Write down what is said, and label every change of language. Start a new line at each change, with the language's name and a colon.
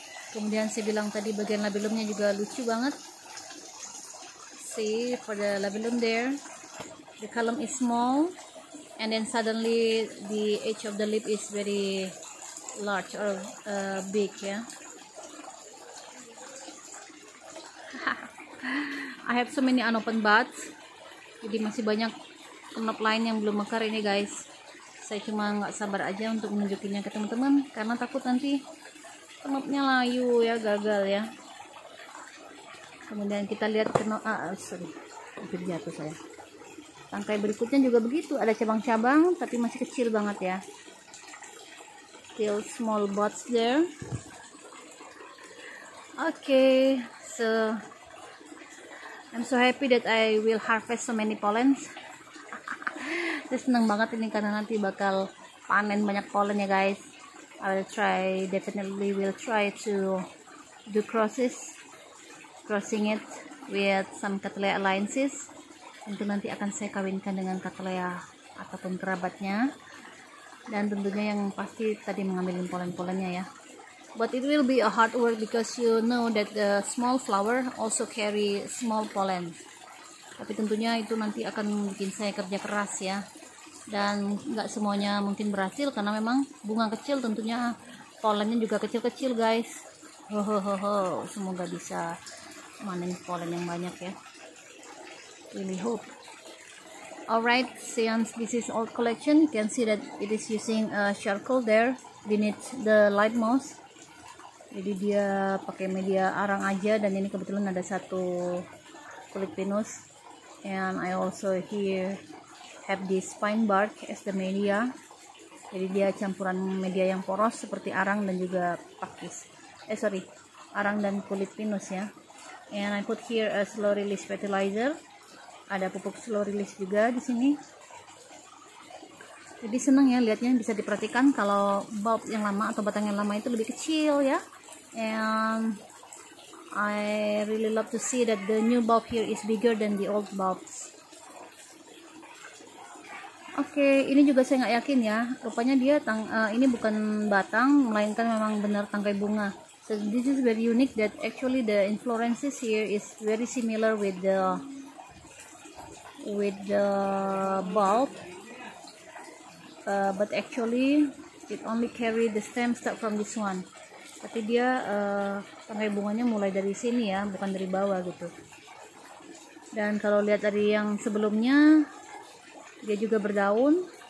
Indonesian: Kemudian saya bilang tadi bagian labelumnya juga lucu banget.
English: See for the labelum there, the column is small, and then suddenly the edge of the lip is very large or big, yeah. I have so many unopened buds,
Indonesian: jadi masih banyak knop lain yang belum mekar ini guys. Saya cuma nggak sabar aja untuk menunjukinya ke teman-teman karena takut nanti knopnya layu ya, gagal ya. Kemudian kita lihat knop, hampir jatuh saya. Tangkai berikutnya juga begitu, ada cabang-cabang tapi masih kecil banget ya.
English: Still small buds there. Okay, so I'm so happy that I will harvest so many pollens.
Indonesian: Saya senang banget ini karena nanti bakal panen banyak pollen ya guys.
English: I will definitely try to do crossing it with some Cattleya alliances.
Indonesian: Tentu nanti akan saya kawinkan dengan Cattleya ataupun kerabatnya. Dan tentunya yang pasti tadi mengambilin pollen-pollennya ya.
English: But it will be a hard work because you know that the small flower also carry small pollen.
Indonesian: Tapi tentunya itu nanti akan bikin saya kerja keras ya. Dan gak semuanya mungkin berhasil karena memang bunga kecil, tentunya pollennya juga kecil-kecil guys. Hohoho, semoga bisa manen pollen yang banyak ya.
English: Really hope. Alright, since this is old collection, you can see that it is using charcoal there beneath the light moss.
Indonesian: Jadi dia pakai media arang aja, dan ini kebetulan ada satu kulit pinus.
English: And I also here have this pine bark as the media.
Indonesian: Jadi dia campuran media yang poros seperti arang dan juga pakis. Arang dan kulit pinus ya.
English: And I put here a slow release fertilizer.
Indonesian: Ada pupuk slow release juga di sini. Jadi senang ya lihatnya, bisa diperhatikan kalau bulb yang lama atau batang yang lama itu lebih kecil ya.
English: And I really love to see that the new bulb here is bigger than the old bulbs.
Indonesian: Okay, ini juga saya nggak yakin ya. Rupanya dia ini bukan batang, melainkan memang benar tangkai bunga.
English: So this is very unique that actually the inflorescence here is very similar with the bulb, but actually it only carry the stem start from this one.
Indonesian: Tapi dia tangkai bunganya mulai dari sini ya, bukan dari bawah gitu. Dan kalau lihat dari yang sebelumnya, dia juga berdaun.